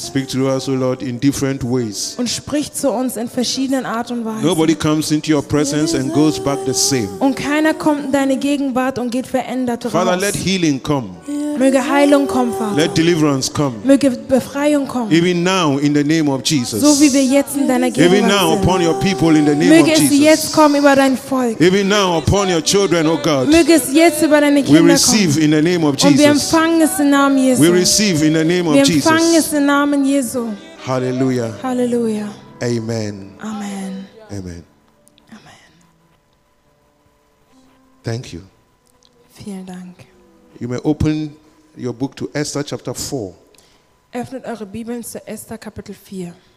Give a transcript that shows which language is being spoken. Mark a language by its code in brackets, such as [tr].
[en] Speak to us, O Lord, in different ways. [de] Und sprich zu uns in verschiedenen Art und Weisen. [en] Nobody comes into your presence and goes back the same. [de] Und keiner kommt in deine Gegenwart und geht verändert raus. [en] Father, let healing come. [de] Möge Heilung kommen, Vater. [en] Let deliverance come. [de] Möge Befreiung kommen. [en] Even now in the name of Jesus. [de] So wie wir jetzt in deiner Gegenwart. [en] Even now upon your people in the name [de] Möge [en] of Jesus. [de] Möge es jetzt kommen über dein Volk. [en] Even now upon your children, O God. [de] Möge es jetzt über deine Kinder kommen. [en] We receive [de] kommen. [en] In the name of Jesus. [de] Und wir empfangen es im Namen Jesu. [en] We receive in the name of Jesus. [de] Wir empfangen es im Namen Jesu. Hallelujah. Hallelujah. Amen. Amen. Amen. Amen. [en] Thank you. [de] Vielen Dank. [en] You may open your book to Esther chapter 4. [de] Öffnet eure Bibeln zu Esther Kapitel 4.